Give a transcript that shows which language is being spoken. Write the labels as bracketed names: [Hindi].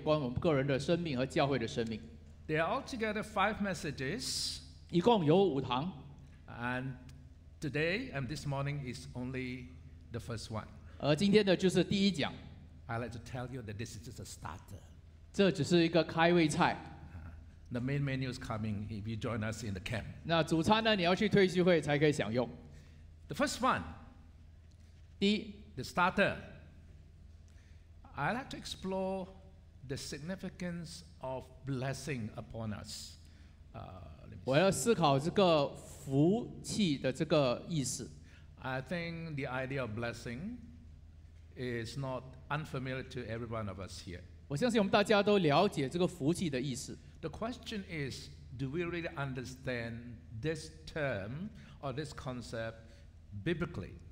[Chinese] 接着亚伯兰的故事，我们来思考一些的重要的话题，就是特别有关我们个人的生命和教会的生命。 [English] There are altogether five messages. [Chinese] 一共有五堂。 [English] And today and this morning is only the first one. [Chinese] 而今天的就是第一讲。 [English] I'd like to tell you that this is just a starter. [Chinese] 这只是一个开胃菜。 [English] The main menu is coming if you join us in the camp. [Chinese] 那主餐呢，你要去退休会才可以享用。 [English] The first one. [Chinese] 第一, [English] the starter. I'd like to explore the significance of blessing upon us. [Chinese] 我要思考这个福气的这个意思。 [English] I think the idea of blessing is not unfamiliar to every one of us here. [Chinese] 我相信我们大家都了解这个福气的意思。 [English] The question is, do we really understand this term or this concept biblically?